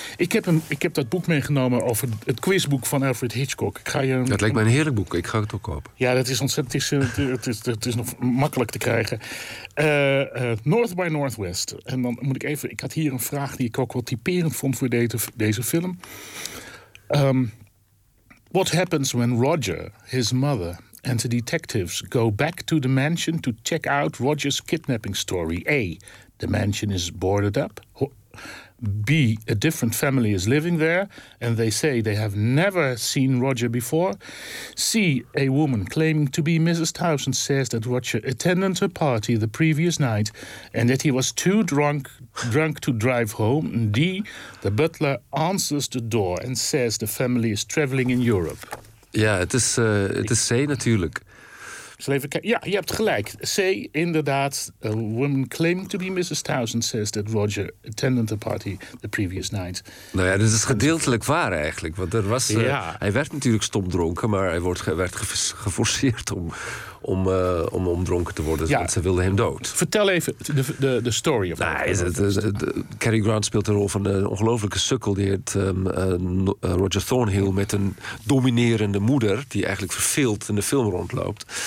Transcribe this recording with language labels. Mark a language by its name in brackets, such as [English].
[Dutch] Ik heb dat boek meegenomen over het quizboek van Alfred Hitchcock. Dat lijkt me een heerlijk boek. Ik ga het ook kopen. Ja, dat is ontzettend. Het is nog makkelijk te krijgen. North by Northwest. En dan moet ik even. Ik had hier een vraag die ik ook wel typerend vond voor deze film. [English] What happens when Roger, his mother and the detectives go back to the mansion to check out Roger's kidnapping story? A. The mansion is boarded up. B. A different family is living there, and they say they have never seen Roger before. C. A woman claiming to be Mrs. Towson says that Roger attended a party the previous night and that he was too drunk to drive home. D. The butler answers the door and says the family is traveling in Europe. [Dutch] Ja, het is C natuurlijk. Ja, je hebt gelijk. C, inderdaad. A woman claiming to be Mrs. [English] Towson says that Roger attended the party the previous night. [Dutch] Nou ja, dat is gedeeltelijk waar eigenlijk. Want er was, ja. Hij werd natuurlijk stomdronken, maar hij werd geforceerd om dronken te worden. Ja. Want ze wilden hem dood. Vertel even de story. Of nou, is het, Cary Grant speelt de rol van een ongelofelijke sukkel die heet Roger Thornhill met een dominerende moeder die eigenlijk verveeld in de film rondloopt.